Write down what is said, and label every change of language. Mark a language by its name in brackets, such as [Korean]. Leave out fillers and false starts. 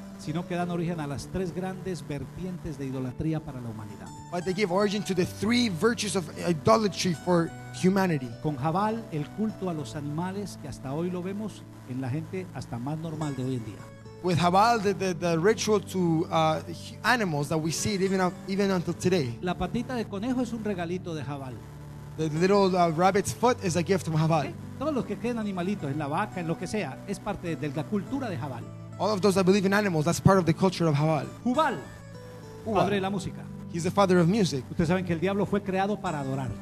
[Spanish] sino que dan origen a las tres grandes vertientes de idolatría para la humanidad. [English] But they give origin to the three virtues of idolatry for humanity. [Spanish] Con Jabal, el culto a los animales que hasta hoy lo vemos en la gente hasta más normal de hoy en día. [English] With Jabal, the ritual to animals that we see it even until today. [Spanish] La patita de conejo es un regalito de Jabal. [English] The little rabbit's foot is a gift from Jabal. Okay. [Spanish] Todos los que creen animalitos, en la vaca, en lo que sea, es parte de la cultura de Jabal. [English] All of those that believe in animals, that's part of the culture of Jabal. [Spanish] Jubal, padre de la música. [English] He's the father of music. [Spanish] Ustedes saben que el diablo fue creado para adorar.